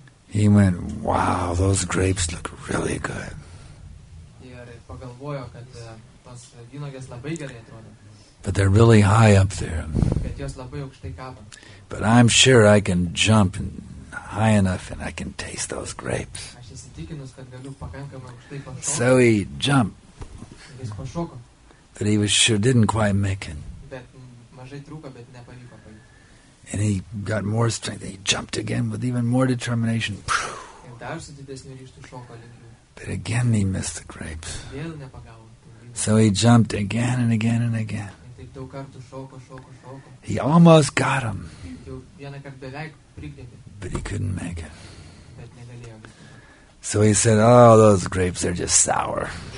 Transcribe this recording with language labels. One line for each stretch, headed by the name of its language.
English: He went, wow, those grapes look really good.
Lithuanian: pagalvojo, kad tos vynogės labai gerai atrodo.
English: But they're really high up there.
Lithuanian: Bet jos labai aukštai kabo.
English: But I'm sure I can jump and high enough and I can taste those grapes.
Lithuanian: Aš įsitikinus, kad galiu pakankamai aukštai pašokti.
English: So he jumped.
Lithuanian: Jis pašoko.
English: But he was sure didn't quite make it.
Lithuanian: Bet mažai trūko, bet nepavyko pajūti.
English: And he got more strength. He jumped again with even more determination.
Lithuanian: Ir dar su didesniu ryžtu šoko lengviau.
English: But again he missed the grapes.
Lithuanian: Vėl nepagavo.
English: So he jumped again and again and again.
Lithuanian: Daug kartų šoko, šoko, šoko.
English: He almost got him.
Lithuanian: Jau vieną kartą beveik prigriebė.
English: But he couldn't make it.
Lithuanian: Bet negalėjo.
English: So he said, oh, those grapes are just sour.